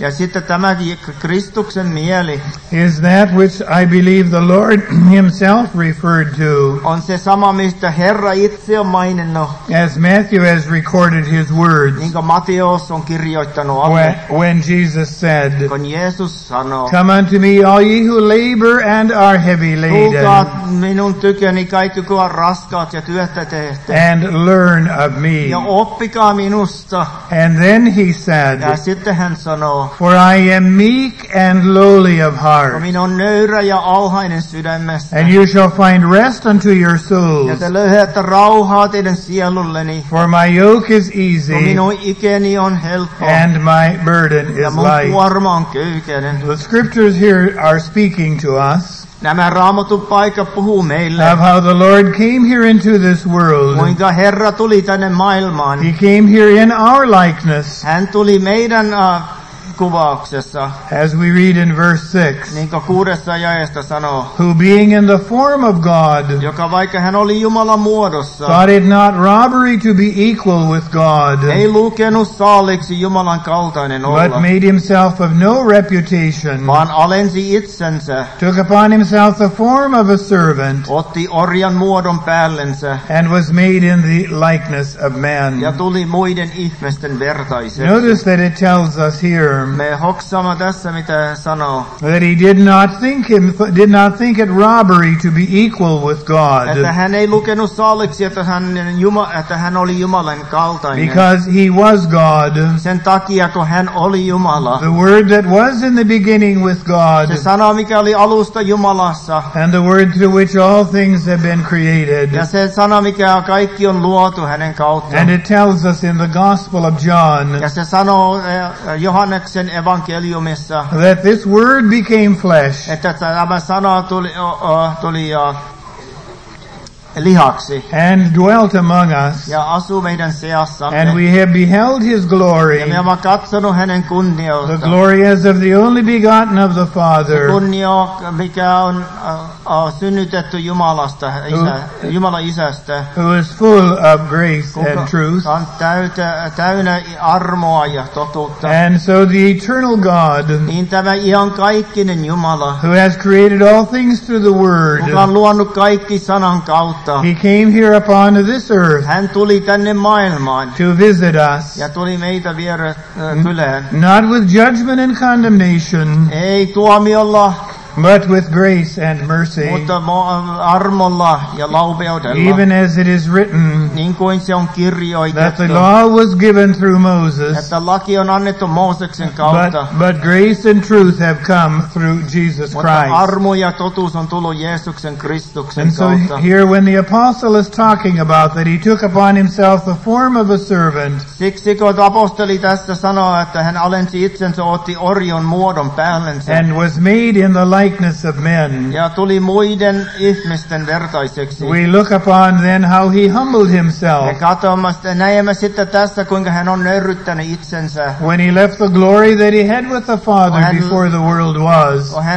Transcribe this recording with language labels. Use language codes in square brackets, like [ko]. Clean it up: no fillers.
[fi] ja sitten tämä Kristuksen mieli, [en] is that which I believe the Lord himself referred to, [fi] on se sama, mistä Herra itse on maininnut, [en] as Matthew has recorded his words, [fi] niin kuin Matteus on kirjoittanut, [en] when Jesus said, [fi] kun Jeesus sanoi, [en] come unto me all ye who labor and are heavy laden, [fi] tulkaa minun tyköni kaikki, jotka ovat raskaat ja työtä tehneet, [en] and learn of me, [fi] ja oppikaa minusta. [en] And then he said, [fi] ja sitten hän sanoo, [en] for I am meek and lowly of heart. [fi] Minä olen nöyrä ja alhainen sydämestä. [en] And you shall find rest unto your souls. [fi] Ja te löydätte rauhaa teidän sielulleni. [en] For my yoke is easy. [fi] Minun ikeni on helppo. [en] And my burden is light. [fi] Ja mun kuorma on köykäinen. [en] The scriptures here are speaking to us. [fi] Nämä Raamatun paikat puhuu meille. [en] Of how the Lord came here into this world. [fi] Kuinka Herra tuli tänne maailmaan. [en] He came here in our likeness. [fi] Hän tuli meidän kuvauksessa. [en] As we read in verse 6. [fi] Niin kuin kuudessa jaesta sanoo. [en] Who being in the form of God. [fi] Joka vaikka hän oli Jumalan muodossa. [en] Thought it not robbery to be equal with God. [fi] Ei lukenut saaliksi Jumalan kaltainen olla. [en] But made himself of no reputation. [fi] Vaan alensi itsensä. [en] Took upon himself the form of a servant. [fi] Otti orjan muodon päällensä. [en] And was made in the likeness of man. [fi] Ja tuli muiden ihmisten vertaiseksi. [en] Notice that it tells us here. [fi] Me hoksaamme tässä, mitä hän sanoo. [en] That he did not think it robbery to be equal with God. [fi] Että hän ei lukenut saaliksi, että hän oli Jumalan kaltainen. [en] Because he was God. [fi] Sen takia, kun hän oli Jumala. [en] The word that was in the beginning with God. [fi] Se sana, mikä oli alusta Jumalassa. [en] And the word through which all things have been created. [fi] Ja se sana, mikä kaikki on luotu hänen kautta. [en] And it tells us in the Gospel of John. [fi] Ja se sanoo Johannes. Johanneksen evankeliumissa, [en] that this word became flesh, [fi] että tämä sana tuli lihaksi, [en] and dwelt among us, [fi] ja asuu meidän seassamme, [en] and we have beheld his glory, [fi] ja me olemme katsonut hänen kunniaa, [en] the glory as of the only begotten of the Father, [fi] kunnia mikä on synnytetty Jumalasta, Jumala isästä, [en] who is full of grace and truth, [fi] on täynnä armoa ja totuutta, [en] and so the eternal God, [fi] niin tämä iankaikkinen Jumala, [en] who has created all things through the word, [fi] joka on luonut kaikki sanan kautta, [en] he came here upon this earth, [fi] hän tuli tänne maailmaan, [en] to visit us, [fi] ja tuli meitä viedä kylään, [en] not with judgment and condemnation, [fi] ei tuomiolla, [en] but with grace and mercy, [fi] mutta armolla ja laupeudella, [en] even as it is written, [fi] niin kuin se on kirjoitettu, [en] that the law was given through Moses, [fi] että laki on annettu Mooseksen kautta, [en] but grace and truth have come through Jesus Christ, [fi] mutta armo ja totuus on tullut Jeesuksen Kristuksen [en] and [fi] kautta. [en] And so here when the apostle is talking about that he took upon himself the form of a servant, [fi] siksi kun apostoli tässä sanoo, että hän alensi itsensä, otti orjon muodon päällensä, [en] and was made in the likeness likeness of men. [fi] Ja tuli muiden ihmisten vertaiseksi. [en] We look upon then how he humbled himself. [fi] Me katsomme sitten, näemme sitten tässä, kuinka hän on nöyryttänyt itsensä. [en] When he left the glory that he had with the Father before the world was.